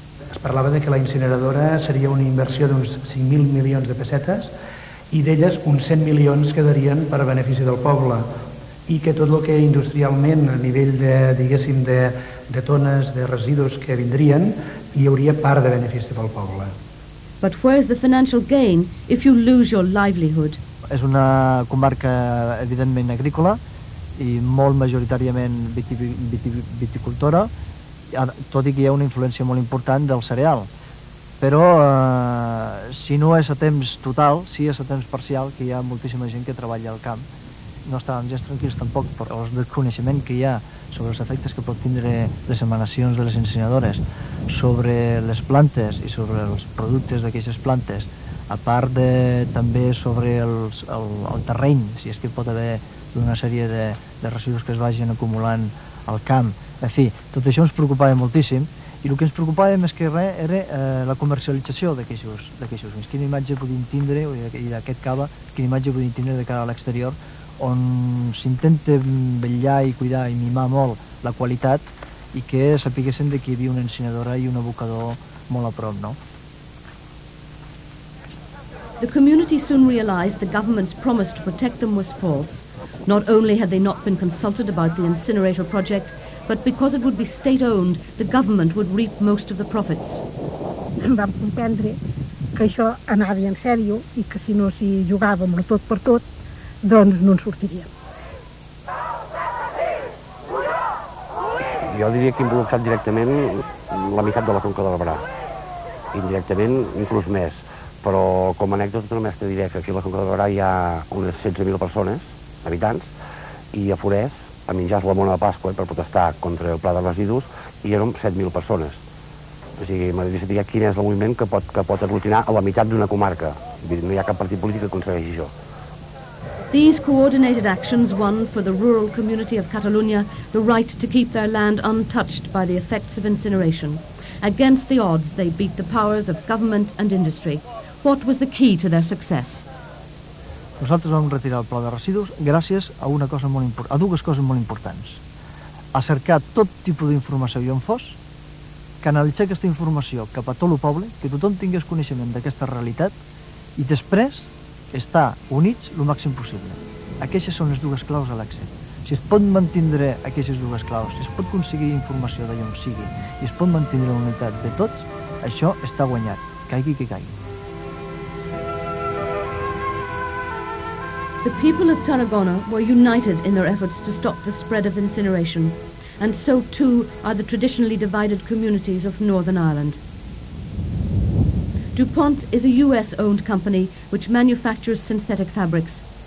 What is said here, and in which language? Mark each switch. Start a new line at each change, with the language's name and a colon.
Catalan: Es parlava de que la incineradora seria una inversió d'uns 5.000 milions de pessetes i d'elles uns 100 milions quedarien per a benefici del poble i que tot el que industrialment a nivell de, diguéssim, de tones de residus que vindrien, hi hauria part de benefici pel poble.
English: But where is the financial gain if you lose your livelihood?
Catalan: És una comarca evidentment agrícola i molt majoritàriament viticultora, tot i que hi ha una influència molt important del cereal. Però si no és a temps total, si és a temps parcial, que hi ha moltíssima gent que treballa al camp, no estàvem gens tranquils tampoc per el desconeixement que hi ha sobre els efectes que pot tindre les emanacions de les incineradores sobre les plantes i sobre els productes d'aquestes plantes, a part de també sobre el terreny, si és que pot haver una sèrie de residus que es vagin acumulant al camp. En fi, tot això ens preocupava moltíssim i el que ens preocupava més que res era la comercialització d'aquests vins. Quina imatge podien tindre, i d'aquest cava, quina imatge podien tindre de cara a l'exterior, on s'intenta vetllar i cuidar i mimar molt la qualitat i que sapiguessin que hi havia una encenedora i un abocador molt a prop, no?
English: The community soon realized the government's promise to protect them was false. Not only had they not been consulted about the incinerator project, but because it would be state-owned, the government would reap most of the profits.
Catalan: Vam comprendre que això anava en sèrio i que si no s'hi jugàvem a tot per tot, doncs no en sortiríem. Jo diria que involucrat directament la meitat de la Conca de l'Ebre. Indirectament, inclús més. Però com a anècdota només te diré que aquí a la Conca de Barà hi ha unes 16.000 persones, habitants, i a Forès, a menjar la mona de Pasqua per protestar contra el pla de residus, hi eren 7.000 persones. O sigui, m'agradaria saber quin és el moviment que pot aglutinar a la meitat d'una comarca. No hi ha cap partit polític que aconsegueixi això.
English: These coordinated actions won for the rural community of Catalunya the right to keep their land untouched by the effects of incineration. Against the odds, they beat the powers of government and industry. What was the key to their success?
Catalan: Nosaltres vam retirar el pla de residus gràcies a una cosa molt important, a dues coses molt importants. A cercar tot tipus d'informació i on fos, canalitzar aquesta informació cap a tot el poble, que tothom tingués coneixement d'aquesta realitat, i després estar units el màxim possible. Aquestes són les dues claus a l'èxit. si es pot mantenir aquestes dues claus, si es pot aconseguir informació d'allò on sigui i es pot mantenir la unitat de tots, això està guanyat, caigui que caigui.
English: The people of Tarragona were united in their efforts to stop the spread of incineration, and so too are the traditionally divided communities of Northern Ireland. DuPont is a US-owned company which manufactures synthetic fabrics.